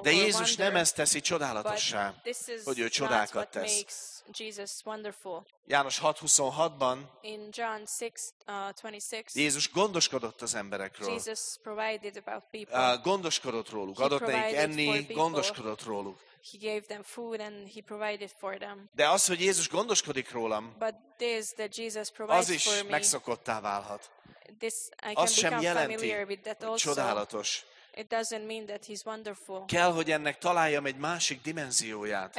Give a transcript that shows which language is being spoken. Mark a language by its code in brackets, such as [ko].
[hu] De Jézus nem ezt teszi csodálatossá, hogy ő csodákat tesz. [en] Jesus wonderful. [hu] János 6:26-ban [en] in John 6:26 [hu] Jézus gondoskodott az emberekről. [en] Jesus provided about people. [hu] Gondoskodott róluk, adott nekik enni, gondoskodott róluk. [en] He gave them food and he provided for them. [hu] De az, hogy Jézus gondoskodik rólam, [en] but this, that Jesus provides [hu] az is [en] for me, [hu] megszokottá válhat. [en] This, [hu] az sem jelenti, hogy csodálatos. [en] It doesn't mean that he's wonderful. [hu] Kell, hogy ennek találjam egy másik dimenzióját,